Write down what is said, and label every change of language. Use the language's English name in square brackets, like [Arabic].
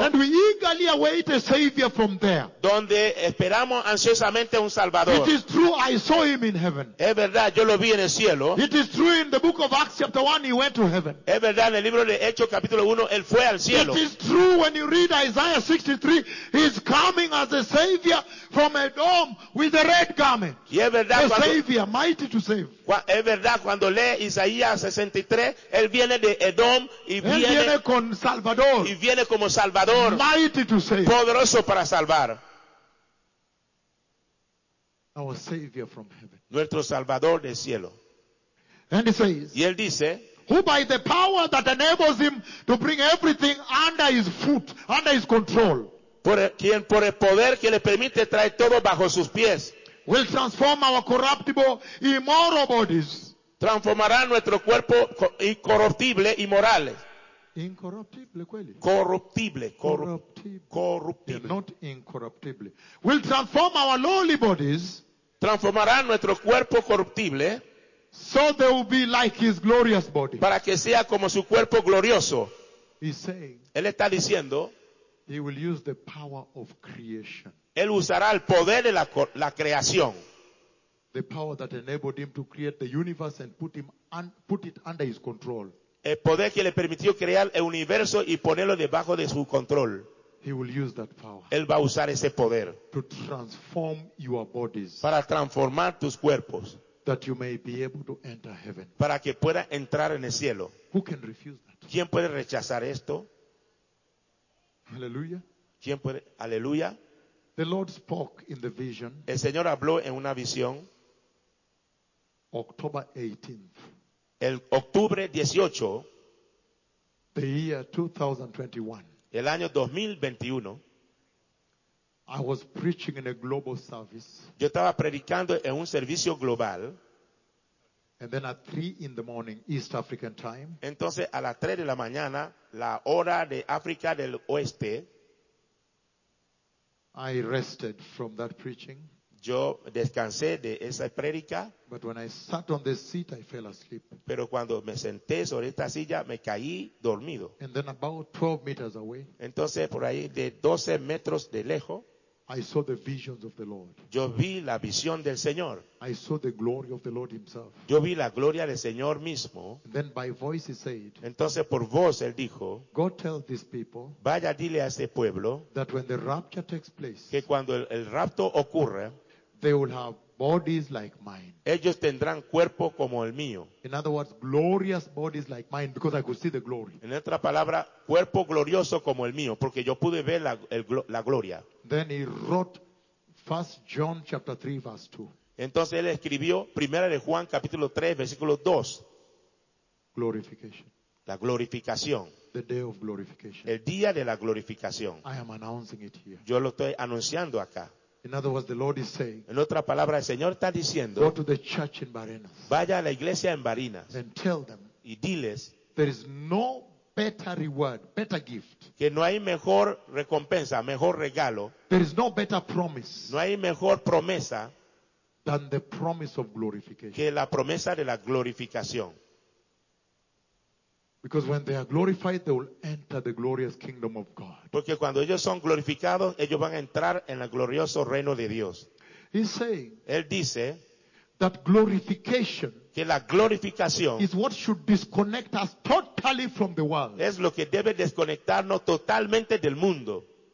[English] And we eagerly await a Savior from there. [Spanish] Donde esperamos ansiosamente un Salvador. [English] It is true, I saw him in heaven. [Spanish] Es verdad, yo lo vi en el cielo. [English] It is true, in the book of Acts chapter 1, he went to heaven. [Spanish] Es verdad, en el libro de Hechos capítulo 1, él fue al cielo. [English] It is true, when you read Isaiah 63, he is coming as a Savior from a dome with a red garment. [Spanish] Y es verdad, [English] a Savior, mighty to save. [Spanish] Es verdad, cuando lee Isaías 63, él viene de Edom y viene con Salvador, y viene como Salvador, [English] mighty to save, [Spanish] poderoso para salvar. [English] Our Savior from heaven. [Spanish] Nuestro Salvador del cielo. [English] And he says, [Spanish] y él dice, [English] who by the power that enables him to bring everything under his foot, under his control, [Spanish] por el poder que le permite traer todo bajo sus pies, [English] will transform our corruptible, immortal bodies. [Spanish] Transformará nuestro cuerpo incorruptible y morales. Incorruptible, quelli. Corruptible, corruptible, corruptible. [English] Yeah, not incorruptible. We'll transform our lowly bodies. [Spanish] Transformará nuestro cuerpo corruptible. [English] So they will be like his glorious body. [Spanish] Para que sea como su cuerpo glorioso. [English] He's saying. [Spanish] Él está diciendo. [English] He will use the power of creation. [Spanish] Él usará el poder de la creación. [English] The power that enabled him to create the universe and put it under his control. [Spanish] El poder que le permitió crear el universo y ponerlo debajo de su control. [English] He will use that power. [Spanish] Él va a usar ese poder. [English] To transform your bodies. [Spanish] Para transformar tus cuerpos. [English] That you may be able to enter heaven. [Spanish] Para que pueda entrar en el cielo. [English] Who can refuse that? [Spanish] ¿Quién puede rechazar esto? Aleluya. ¿Quién puede? Aleluya. [English] The Lord spoke in the vision. [Spanish] El Señor habló en una visión. [English] October 18th. [Spanish] El octubre 18. [English] The year 2021. [Spanish] El año 2021. [English] I was preaching in a global service. [Spanish] Yo estaba predicando en un servicio global. [English] And then at 3 in the morning, East African time. [Spanish] Entonces a las 3 de la mañana, la hora de África del Oeste. [English] I rested from that preaching. [Spanish] Yo descansé de esa prédica. [English] But when I sat on the seat, I fell asleep. [Spanish] Pero cuando me senté sobre esta silla, me caí dormido. [English] And then about 12 meters away. [Spanish] Entonces por ahí de 12 metros de lejos. [English] I saw the visions of the Lord. [Spanish] Yo vi la visión del Señor. [English] I saw the glory of the Lord himself. [Spanish] Yo vi la gloria del Señor mismo. [English] And then by voice he said. [Spanish] Entonces por voz él dijo. [English] Go tell these people. [Spanish] Vaya dile a ese pueblo. [English] That when the rapture takes place. [Spanish] Que cuando el rapto ocurre. [English] They will have bodies like mine. [Spanish] Ellos tendrán cuerpo como el mío. [English] In other words, glorious bodies like mine, because I could see the glory. [Spanish] En otra palabra, cuerpo glorioso como el mío, porque yo pude ver la gloria. [English] Then he wrote 1 John chapter 3 verse 2. [Spanish] Entonces él escribió Primera de Juan capítulo 3 versículo 2. [English] Glorification. [Spanish] La glorificación. [English] The day of glorification. [Spanish] El día de la glorificación. [English] I am announcing it here. [Spanish] Yo lo estoy anunciando acá. [English] In other words, the Lord is saying, [Spanish] en otra palabra, el Señor está diciendo, [English] go to the church in Barinas, [Spanish] vaya a la iglesia en Barinas [English] and tell them, [Spanish] y diles, [English] there is no better reward, better gift, [Spanish] que no hay mejor recompensa, mejor regalo, [English] there is no better promise, [Spanish] no hay mejor promesa [English] than the promise of glorification. [Spanish] Que la promesa de la glorificación. [English] Because when they are glorified, they will enter the glorious kingdom of God. [Spanish] Porque cuando ellos son glorificados, ellos van a entrar en el glorioso reino de Dios. [English] He's saying, [Spanish] él dice, [English] that glorification, [Spanish] que la glorificación, [English] is what should disconnect us totally from the world. [Spanish] Es lo que debe desconectarnos totalmente del mundo.